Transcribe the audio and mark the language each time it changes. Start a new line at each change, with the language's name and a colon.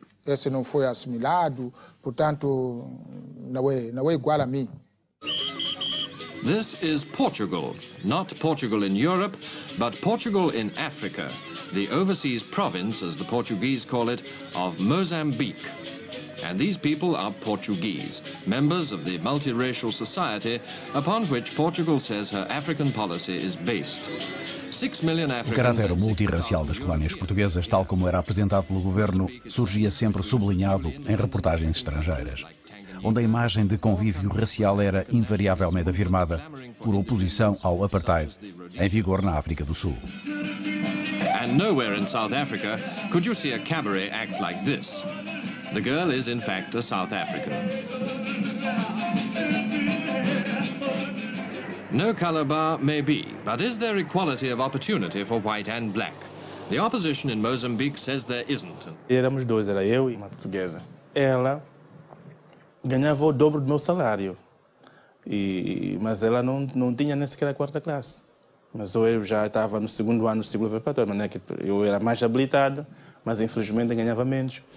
Portuguese: Esse não foi assimilado, portanto, não é igual a mim.
English: This is Portugal, not Portugal in Europe, but Portugal in Africa, the overseas province, as the Portuguese call it, of Mozambique. And these people are Portuguese, members of the multiracial society upon which Portugal says her African policy is based.
Portuguese: O caráter multirracial das colónias portuguesas, tal como era apresentado pelo governo, surgia sempre sublinhado em reportagens estrangeiras, onde a imagem de convívio racial era invariavelmente afirmada por oposição ao apartheid em vigor na África do Sul.
English: And nowhere in South Africa could you see a cabaret act like this. The girl is in fact a South African. No color bar may be, but is there equality of opportunity for white and black? The opposition in Mozambique says there isn't.
Portuguese: Éramos dois, era eu e uma portuguesa. Ela ganhava o dobro do meu salário, mas ela não tinha nem sequer a quarta classe. Mas eu já estava no segundo ano do ciclo preparatório, né? Eu era mais habilitado, mas infelizmente ganhava menos.